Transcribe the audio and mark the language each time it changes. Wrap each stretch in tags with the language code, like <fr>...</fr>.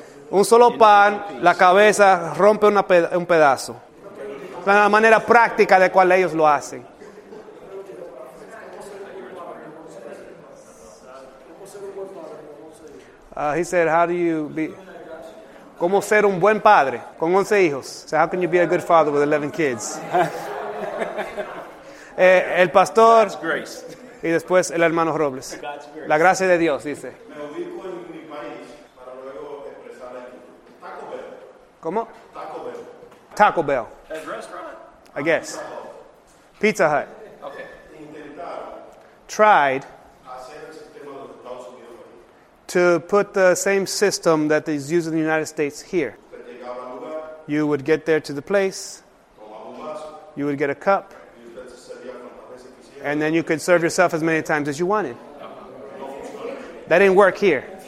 <es>Un solo pan, la cabeza rompe un pedazo. La manera práctica de cual ellos lo hacen.</es> <en>He said, how do you be...</en> <es>¿Cómo ser un buen padre con 11 hijos?</es> <en>So how can you be a good father with 11 kids?</en> <es>el pastor...</es> <en>God's grace.</en> <es>Y después el hermano Robles.</es> <en>God's grace.</en> <es>La gracia de Dios, dice. Me ubico en mi país para luego expresar aquí.</es> <en>Taco Bell.</en> <es>¿Cómo?</es> <en>Taco Bell. Taco Bell. A restaurant? I guess. Pizza Hut. Okay.</en> <es>Intentar.</es> <en>Tried.</en> <es>Hacer el sistema de Estados Unidos.</es> <en>To put the same system that is used in the United States here. You would get there to the place. You would get a cup. And then you could serve yourself as many times as you wanted. That didn't work here.</en>